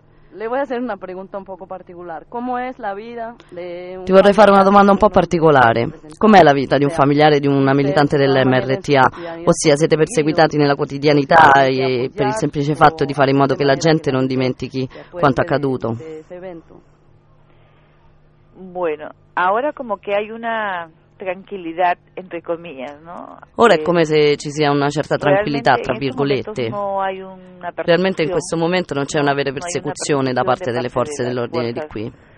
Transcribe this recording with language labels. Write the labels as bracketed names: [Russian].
[Spanish] Le voy a hacer una pregunta un poco particular. ¿Cómo es la vida de un... [Italian] Ti vorrei fare una domanda un po' particolare. Com'è la vita di un familiare di una militante dell'MRTA? Ossia, siete perseguitati nella quotidianità e per il semplice fatto di fare in modo che la gente non dimentichi quanto accaduto? [Spanish] Bueno, ahora como que hay una tranquillidad entre comillas, ¿no? [Italian] Ora è come se ci sia una certa tranquillità, tra virgolette. Realmente in questo momento non c'è una vera persecuzione da parte delle forze dell'ordine di qui.